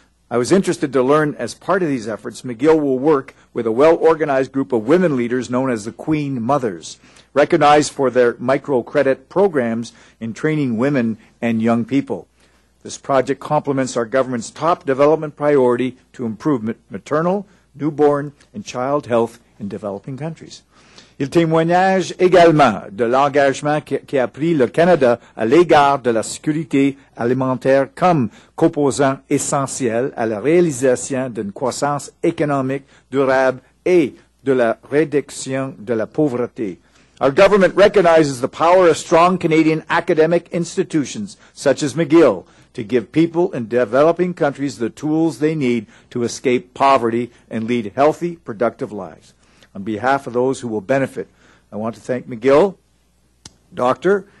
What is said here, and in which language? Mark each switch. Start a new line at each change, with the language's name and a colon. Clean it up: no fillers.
English: I was interested to learn, as part of these efforts, McGill will work with a well-organized group of women leaders known as the Queen Mothers, recognized for their microcredit programs in training women and young people. This project complements our government's top development priority to improve maternal, newborn, and child health in developing countries.
French: Il témoigne également de l'engagement qui a pris le Canada à l'égard de la sécurité alimentaire comme composant essentiel à la réalisation d'une croissance économique durable et de la réduction de la pauvreté.
English: Our government recognizes the power of strong Canadian academic institutions such as McGill to give people in developing countries the tools they need to escape poverty and lead healthy, productive lives. On behalf of those who will benefit, I want to thank McGill, Doctor,